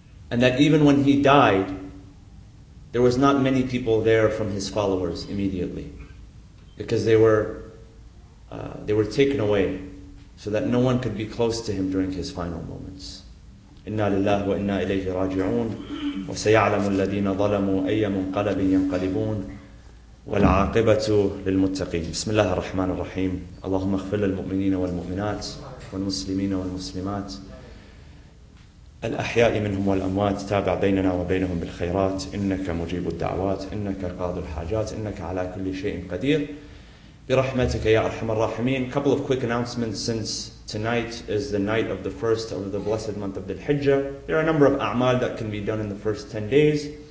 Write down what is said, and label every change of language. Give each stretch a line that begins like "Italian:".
English: And that even when he died, there was not many people there from his followers immediately, because they were taken away so that no one could be close to him during his final moments.
Arabic: إِنَّا لِلَّهِ وَإِنَّا إِلَيْهِ رَاجِعُونَ وَسَيَعْلَمُ الَّذِينَ ظَلَمُوا أَيَّ مُنْقَلَبٍ يَنْقَلِبُونَ وَالْعَاقِبَةُ لِلْمُتَّقِينَ بسم الله الرحمن الرحيم اللهم اغفر للمؤمنين والمؤمنات والمسلمين والمسلمات الأحياء منهم والأموات تابع بيننا وبينهم بالخيرات إنك مجيب الدعوات إنك قاضي الحاجات إنك على كل شيء قدير برحمتك يا أرحم الراحمين.
English: Couple of quick announcements. Since tonight is the night of the first of the blessed month of Dhul-Hijjah, there are a number of a'mal that can be done in the first 10 days.